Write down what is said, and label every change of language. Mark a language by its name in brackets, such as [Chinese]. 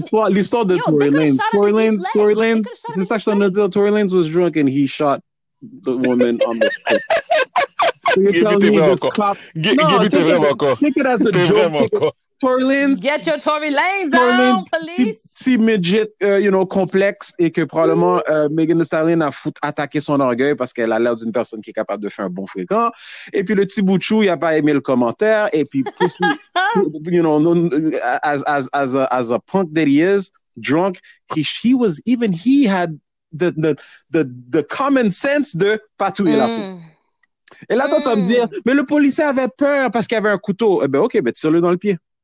[French] L'histoire de Tory Lanez, c'est ça que je t'en ai dit. [English] Tory Lanez was drunk and he shot the woman on the street. So you're telling me just clap. Take it as a joke. Tory Lanez. Get your Tory Lanez out, police. [French] Petit midget, you know, complexe et que probablement Megan Thee Stallion a attaqué son orgueil parce qu'elle a l'air d'une personne qui est capable de faire un bon fréquent. Et puis le petit bout de chou, il a pas aimé le commentaire. Et puis, [English] you know, as a punk that he is, drunk, he was, even he had the common sense [French] de patouiller la foule. Et là, t'entends me dire, mais le policier avait peur parce qu'il avait un couteau. Eh ben, ok, ben, tire-le dans le pied.